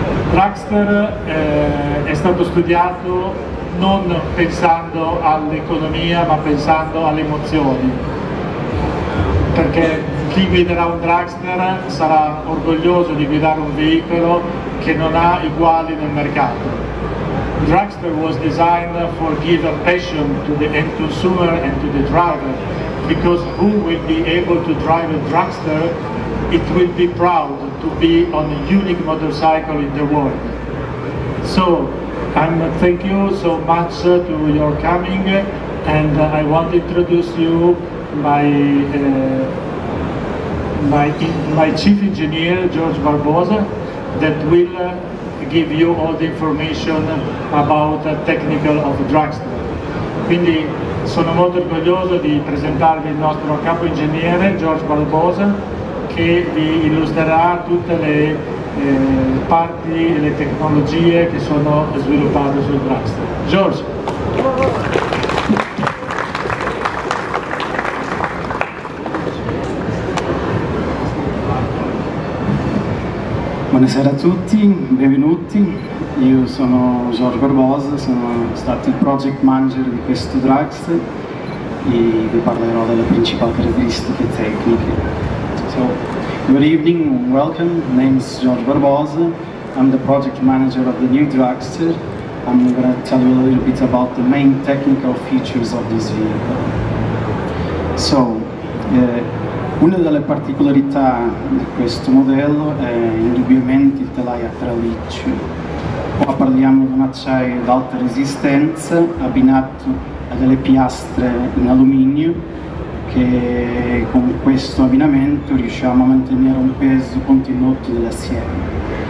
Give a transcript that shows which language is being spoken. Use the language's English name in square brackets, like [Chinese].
[Italian] Dragster è stato studiato non pensando all'economia, ma pensando alle emozioni, perché chi guiderà un dragster sarà orgoglioso di guidare un veicolo che non ha uguali nel mercato. [English] Dragster was designed for giving passion to the end consumer and to the driver, because who will be able to drive a dragster, it will be proud to be on a unique motorcycle in the world. So I'm thank you so much to your coming, and I want to introduce you my chief engineer George Barbosa, that will give you all the information about the technical of Dragster. [Italian] Quindi sono molto orgoglioso di presentarvi il nostro capo ingegnere George Barbosa, che vi illustrerà tutte le parti e le tecnologie che sono sviluppate sul Dragster. George. Buonasera a tutti, benvenuti. Io sono George Barbosa, sono stato il project manager di questo Dragster e vi parlerò delle principali caratteristiche tecniche. [English] So, good evening, welcome. My name is George Barbosa. I'm the project manager of the new Dragster. I'm going to tell you a little bit about the main technical features of this vehicle. [Italian] So, una delle particolarità di questo modello è indubbiamente il telaio a traliccio. Qua parliamo di un acciaio ad alta resistenza abbinato a delle piastre in alluminio, che con questo abbinamento riusciamo a mantenere un peso contenuto dell'assieme.